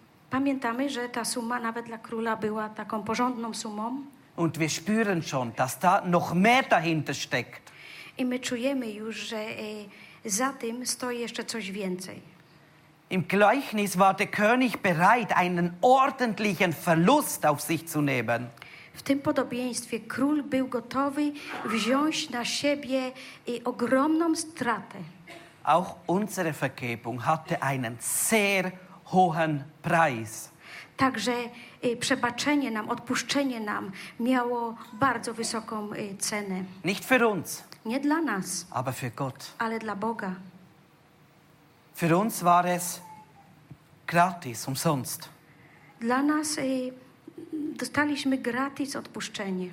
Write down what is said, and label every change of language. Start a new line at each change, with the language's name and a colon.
Polish: Pamiętamy, że ta suma nawet dla króla była taką porządną sumą.
German: Und wir spüren schon, dass da noch mehr dahinter steckt.
Polish: I my czujemy już, że za tym stoi jeszcze coś więcej.
German: Im Gleichnis war der König bereit, einen ordentlichen Verlust auf sich zu nehmen.
Polish: W tym podobieństwie król był gotowy wziąć na siebie ogromną stratę.
German: Auch unsere Vergebung hatte einen sehr hohen Preis.
Polish: Także przebaczenie nam, odpuszczenie nam miało bardzo wysoką cenę.
German: Nicht für uns.
Polish: Nie dla nas.
German: Aber für Gott.
Polish: Ale dla Boga.
German: Für uns war es gratis, umsonst.
Polish: Dla nas dostaliśmy gratis odpuszczenie.